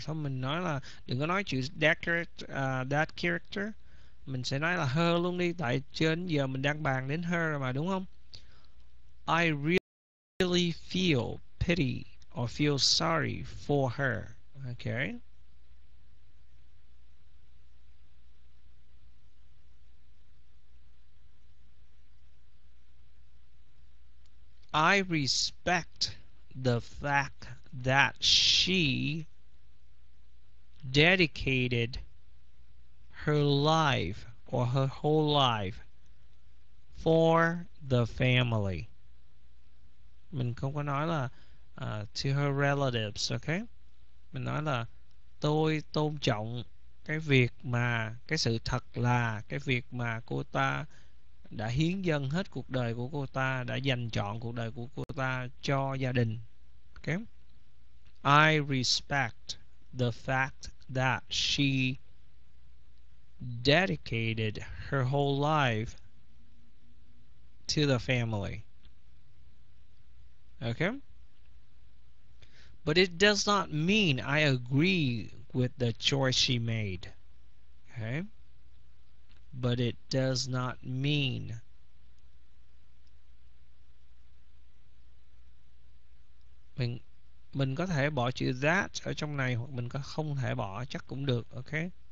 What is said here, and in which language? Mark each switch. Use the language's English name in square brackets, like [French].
[Vietnamese] So mình nói là đừng có nói chữ [English] that character. [Vietnamese] Mình sẽ nói là her luôn đi, tại trên giờ mình đang bàn đến her mà, đúng không? [English] I really feel pity or feel sorry for her. Okay. I respect the fact that she dedicated her life or her whole life for the family. [Vietnamese] Mình không có nói là [English] to her relatives, [Vietnamese] okay? Mình nói là tôi tôn trọng cái việc mà cái sự thật là cái việc mà cô ta đã hiến dâng hết cuộc đời của cô ta, đã dành trọn cuộc đời của cô ta cho gia đình. [English] Okay. I respect the fact that she dedicated her whole life to the family. Okay. But it does not mean I agree with the choice she made. Okay. But it does not mean [Vietnamese] mình có thể bỏ chữ that ở trong này hoặc mình có không thể bỏ chắc cũng được, okay?